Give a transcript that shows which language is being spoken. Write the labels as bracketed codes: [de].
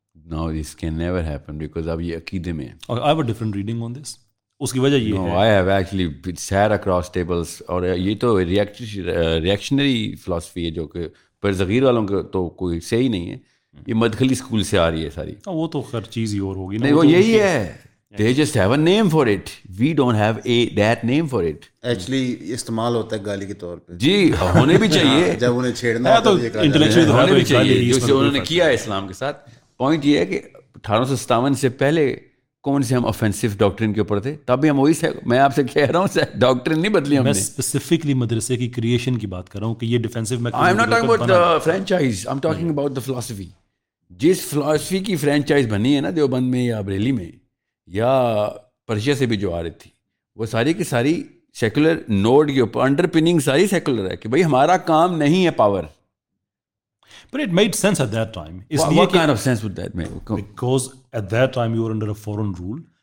[en] Now this can never happen because [ur] اب یہ عقیدے میں [en] ہے I have a different reading on this [ur] اس کی وجہ یہ ہے [en] I have actually sat across tables [ur] اور یہ تو reactionary philosophy ہے جو کہ پرزغیر والوں کے تو کوئی صحیح نہیں ہے یہ مدخلی اسکول سے آ رہی ہے ساری وہ تو ہر چیز ہی اور ہوگی نہیں وہ یہی ہے [en] They just have a name for it. We don't have a that name for it. [ur] Actually, استعمال ہوتا ہے گالی کے طور پہ جی ہونے بھی چاہیے جب انہیں چھیڑنا ہونے بھی چاہیے جو انہوں نے کیا اسلام کے ساتھ پوائنٹ یہ ہے کہ 1857 سے پہلے کون سے ہم آفینسو ڈاکٹرین کے اوپر تھے تب بھی ہم وہی سے میں آپ سے کہہ رہا ہوں ڈاکٹرین نہیں بدلی ہم نے اسپیسیفکلی مدرسے کی کریشن کی بات کر رہا ہوں کہ یہ ڈیفینسو میں [en] I am not talking about the franchise I am talking about the فلسفی [ur] جس فلسفی کی فرینچائز بنی ہے نا دیوبند میں یا بریلی میں یا پرشیا سے بھی جو آ رہی تھی وہ ساری کی ساری سیکولر نوڈ کے اوپر انڈر پننگ ساری سیکولر ہے کہ بھائی ہمارا کام نہیں ہے power [en] But it made sense at that time. What kind of sense would that make? Because at that time you were under a foreign rule.